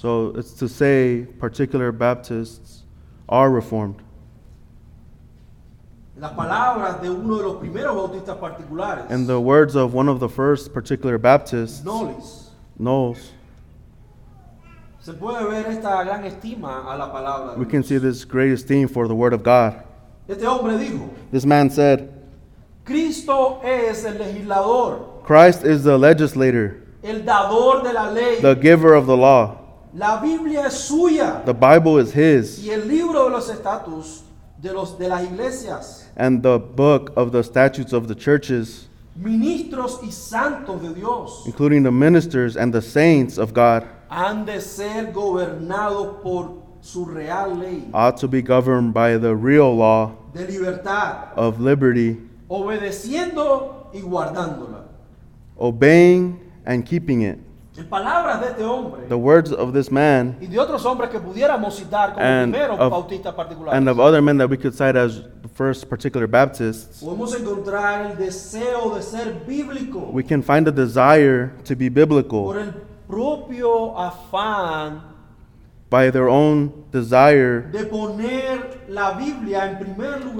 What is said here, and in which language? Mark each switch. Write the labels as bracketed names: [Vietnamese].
[English] So it's to say particular Baptists are reformed. [Spanish] Las palabras de uno de los primeros bautistas particulares. [English] In the words of one of the first particular Baptists. Knowles. [Spanish] Se puede ver esta gran estima a la palabra de [English] Dios. We can see this great esteem for the word of God. [Spanish] Este hombre dijo. [English] This man said. [Spanish] Cristo es el legislador. [English] Christ is the legislator. [Spanish] El dador de la ley. [English] The giver of the law. [Spanish] La Biblia es suya. [English] The Bible is his. [Spanish] Y el libro de los estatutos de las iglesias. [English] And the book of the statutes of the churches. [Spanish] Ministros y santos de Dios. [English] Including the ministers and the saints of God. [Spanish] Han de ser gobernados por su real ley. [English] Ought to be governed by the real law. [Spanish] De libertad. [English] Of liberty. [Spanish] Obedeciendo y guardándola. [English] Obeying and keeping it. [Spanish] En palabras de este hombre. [English] The words of this man. [Spanish] Y de otros hombres que pudiéramos citar como primeros bautistas particulares. [English] And of other men that we could cite as first particular Baptists. [Spanish] Podemos encontrar el deseo de ser bíblico. [English] We can find a desire to be biblical. [Spanish] Por el propio afán [English] by their own desire [Spanish] de poner la Biblia en primer lugar.